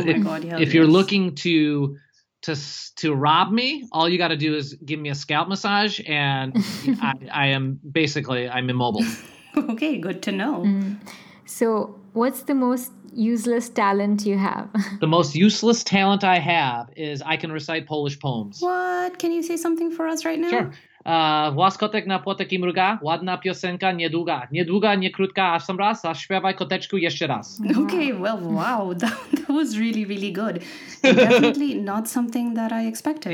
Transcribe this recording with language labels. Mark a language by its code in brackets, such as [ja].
[en] you're looking to rob me, all you got to do is give me a scalp massage and I'm immobile. Okay. Good to know. So what's the most useless talent you have? The most useless talent I have is I can recite Polish poems. What? Can you say something for us right now? Sure. [pl] Waskotek na płotek i mruga, ładna piosenka niedługa. Niedługa, nie krótka, a sam raz, a śpiewaj koteczku jeszcze raz. [en] Okay, well, wow. That was really, really good. Definitely not something that I expected.